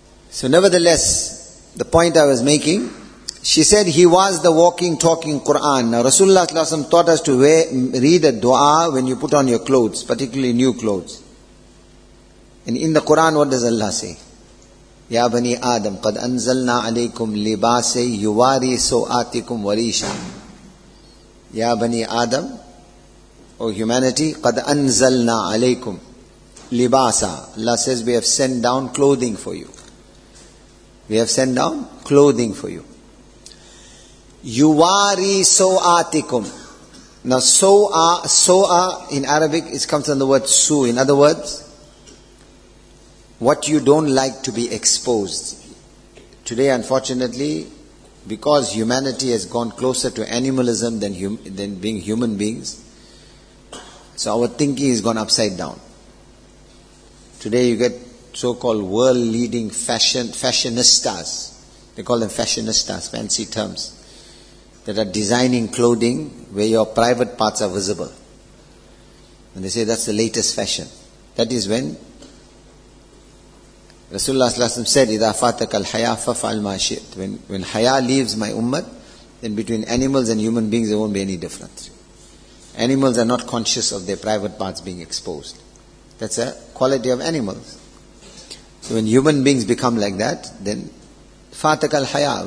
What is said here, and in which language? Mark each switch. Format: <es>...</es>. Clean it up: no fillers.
<en>So nevertheless, the point I was making, she said he was the walking, talking Quran. Now Rasulullah ﷺ taught us to read a dua when you put on your clothes, particularly new clothes. And in the Quran, what does Allah say?</en> <ar>Ya Bani Adam, قَدْ أَنزَلْنَا عَلَيْكُمْ لِبَاسَي يُوَارِي سَوْآتِكُمْ وَرِيشًا. Ya Bani Adam,</ar> <en>O humanity,</en> <ar>قَدْ أَنزَلْنَا عَلَيْكُمْ لِبَاسًا.</ar> <en>Allah says, we have sent down clothing for you. We have sent down clothing for you.</en> <ar>Yuwari so'atikum.</ar> <en>Now so'a in Arabic is comes from the word su. In other words, what you don't like to be exposed. Today, unfortunately, because humanity has gone closer to animalism than being human beings, so our thinking has gone upside down. Today you get so-called world-leading fashionistas. They call them fashionistas, fancy terms, that are designing clothing where your private parts are visible. And they say that's the latest fashion. That is when Rasulullah ﷺ said,</en> <ar>إِذَا فَاتَكَ الْحَيَا فَفَعَلْ مَا شِئْتْ.</ar> <en>When haya leaves my ummah, then between animals and human beings there won't be any difference. Animals are not conscious of their private parts being exposed. That's a quality of animals. So when human beings become like that, then</en> <ar>فَاتَكَ الْحَيَا.</ar>